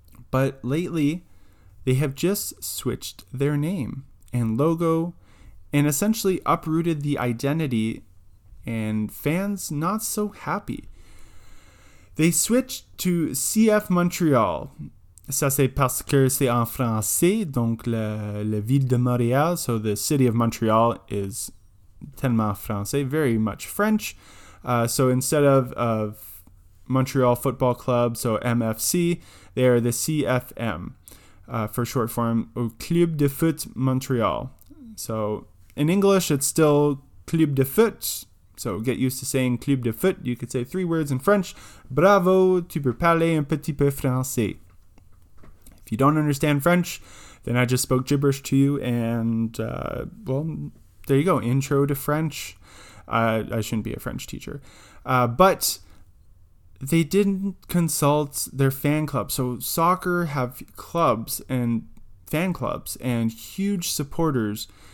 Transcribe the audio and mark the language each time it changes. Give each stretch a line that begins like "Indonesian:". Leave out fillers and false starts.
English: But lately, they have just switched their name and logo and essentially uprooted the identity, and fans not so happy. They switched to CF Montreal.
French: Ça c'est parce que c'est en français, donc la ville de Montréal.
English: So the city of Montreal is
French: tellement français,
English: very much French. So instead of Montreal Football Club, so MFC, they are the CFM. For short form, au Club de Foot Montreal. So in English, it's still Club de Foot. So get used to saying Club de Foot. You could say three words in French.
French: Bravo, tu peux parler un petit peu français.
English: If you don't understand French, then I just spoke gibberish to you. And, there you go. Intro to French. I shouldn't be a French teacher. But they didn't consult their fan club. So soccer have clubs and fan clubs and huge supporters.